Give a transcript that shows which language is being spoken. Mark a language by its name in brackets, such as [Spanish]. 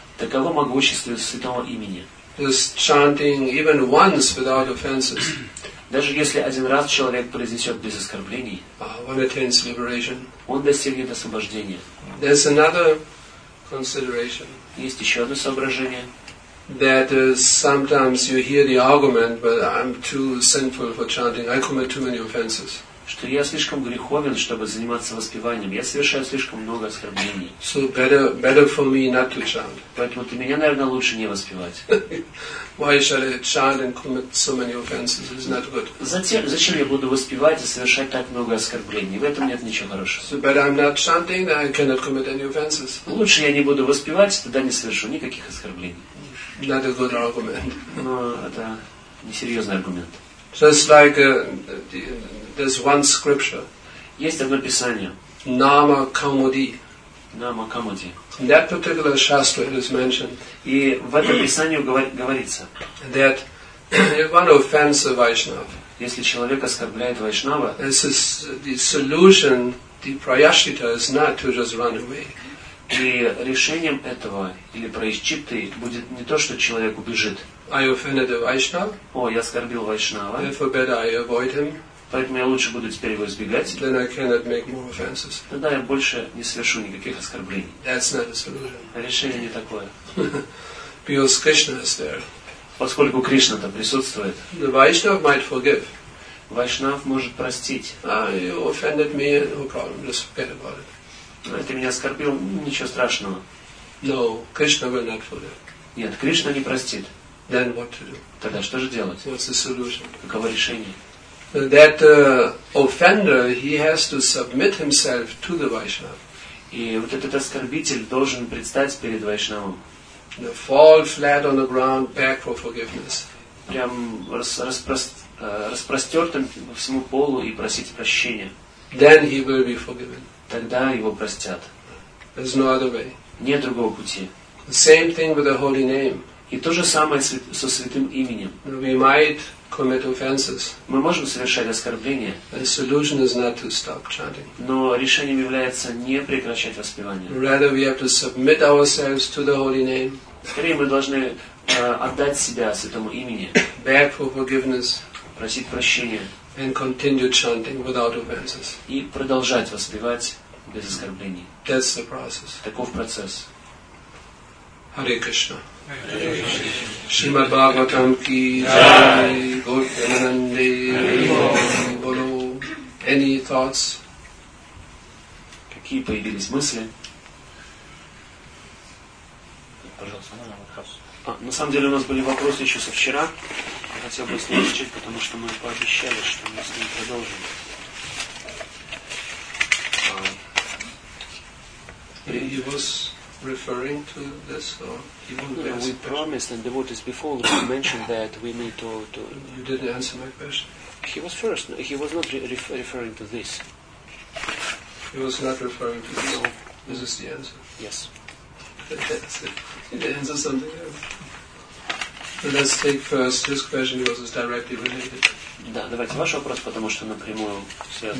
[Russian] Таково могущество святого имени. [English] Just chanting even once without offenses. [Russian] Даже если один раз человек произнесет без оскорблений, [English] one attains liberation. [Russian] Он достигнет освобождения. [English] There's another consideration. [Russian] Есть еще одно соображение. [English] That sometimes you hear the argument, but I'm too sinful for chanting. I commit too many offenses. [Russian] Что я слишком греховен, чтобы заниматься воспеванием. Я совершаю слишком много оскорблений. [English] So better for me not to chant. [Russian] Поэтому для меня, наверное, лучше не воспевать. [English] Why should I chant and commit so many offenses? It's not good. [Russian] Зачем я буду воспевать и совершать так много оскорблений? В этом нет ничего хорошего. [English] So better I'm not chanting, then I cannot commit any offenses. [Russian] Лучше я не буду воспевать, тогда не совершу никаких оскорблений. [English] Not a good argument. [Russian] Но это несерьезный аргумент. [English] Just like there's one scripture. [Russian] Есть одно писание. [English] Nama Kamudi. [Russian] Nama Kamudi. [English] That particular shastra is mentioned. [Russian] И в этом писании говорится. [English] That if one offends a Vaishnava. [Russian] Если человек оскорбляет Вайшнава. [English] This is the solution. The prayashchitta is not to just run away. [Russian] И решением этого или прайшчитты будет не то, что человек убежит. [English] I offended a Vaishnava. [Russian] О, я оскорбил Вайшнава. [English] Therefore, better I avoid him. [Russian] Поэтому я лучше буду теперь его избегать. [English] Then I cannot make more offenses. [Russian] Тогда я больше не совершу никаких оскорблений. [English] That's not a solution. [Russian] Решение не такое. [English] Because Krishna is there. [Russian] Поскольку Кришна там присутствует. [English] The Vaishnava might forgive. [Russian] Вайшнав может простить. [English] You offended me, no problem, just forget about it. [Russian] Ты меня оскорбил, ничего страшного. [English] No, Krishna will not forgive. [Russian] Нет, Кришна не простит. [English] Then what to do? [Russian] Тогда что же делать? [English] What's the solution? [Russian] Каково решение? [English] That offender, he has to submit himself to the Vaishnava. [Russian] И вот этот оскорбитель должен предстать перед Вайшнавом. [English] Fall flat on the ground, beg for forgiveness. [Russian] Прям распростертым по всему полу и просить прощения. [English] Then he will be forgiven. [Russian] Тогда его простят. [English] There's no other way. [Russian] Нет другого пути. [English] Same thing with the holy name. [Russian] И то же самое со святым именем. [English] We might commit offenses. [Russian] Мы можем совершать оскорбления. [English] The solution is not to stop chanting. [Russian] Но решением является не прекращать воспевание. [English] Rather we have to submit ourselves to the holy name. [Russian] Скорее мы должны отдать себя святому имени. [English] Beg for forgiveness. [Russian] Просить прощения. [English] And continue chanting without offenses. [Russian] И продолжать воспевать без оскорблений. [English] That's the process. [Russian] Таков процесс. [Sanskrit] Hare Krishna. [Hindi] Shrimad Bhagavatam ki jai, Gauranande bolo. [English] Any thoughts? [Russian] Какие появились мысли? Пожалуйста, можно вопрос? На самом деле у нас были вопросы еще со вчера. Я хотел бы слушать, потому что мы пообещали, что мы с ним продолжим. [English] Referring to this, or even we promised, and devotees before mentioned that we need to. You didn't answer my question. He was first. No, he was not referring to this. He was not referring to this. This is the answer. Yes. That's it. He answered something else. So let's take first this question because it's directly related. [Russian] Да, давайте ваш вопрос, потому что напрямую связан.